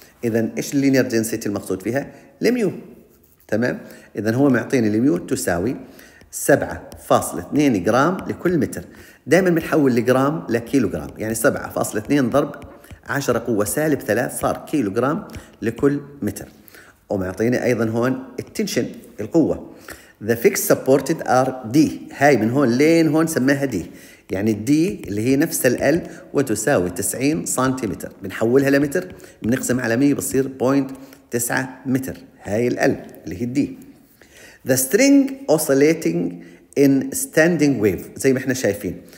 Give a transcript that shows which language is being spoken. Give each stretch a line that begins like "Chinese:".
Arabic: إذن إيش linear density المقصود فيها؟ الميو. تمام؟ إذن هو معطيني الميو تساوي 7.2 جرام لكل متر. دائما بنحول الجرام لكيلو جرام، يعني 7.2 ضرب 10 قوة سالب 3 صار كيلو جرام لكل متر. ومعطيني أيضا هون التنشن القوة.
English: The fixed supported are D.
Arabic: هاي من هون لين هون سماها D. يعني D اللي هي نفس ال وتساوي 90 سنتيمتر. بنحولها لمتر. بنقسم على 100 بصير 0.9 متر. هاي ال اللي هي D.
English: The string oscillating in standing wave.
Arabic: زي ما احنا شايفين.